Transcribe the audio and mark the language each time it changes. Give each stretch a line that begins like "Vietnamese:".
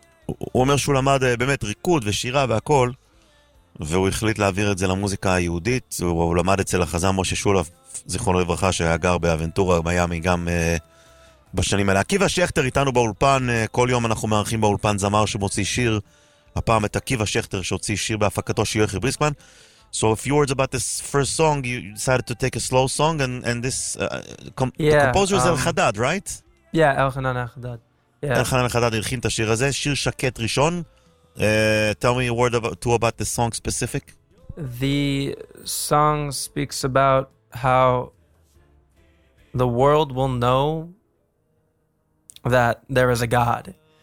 Hebrew: הוא אומר שהוא למד באמת ריקוד ושירה והכל, והוא החליט להעביר את זה למוזיקה היהודית. הוא למד אצל החזן משה שולף, זיכרונו לברכה, שהיה גר באבנטורה, מיאמי, גם בשנים האלה. עקיבא שכטר איתנו באולפן, כל יום אנחנו מארחים באולפן זמר שמוציא שיר, הפעם את עקיבא שכטר שהוציא שיר בהפקתו של יוחי בריסקמן.
English: So a few words about this first song, you decided to take a slow song, and this, yeah, the composer is El-Hadad, right? Yeah, El-Hanan El-Hadad. Yeah.
Hebrew: El-Hanan El-Hadad הלחין את השיר הזה, שיר שקט ראשון.
English: Tell me a word about the song specific. The song speaks about how the world will know that there is a God.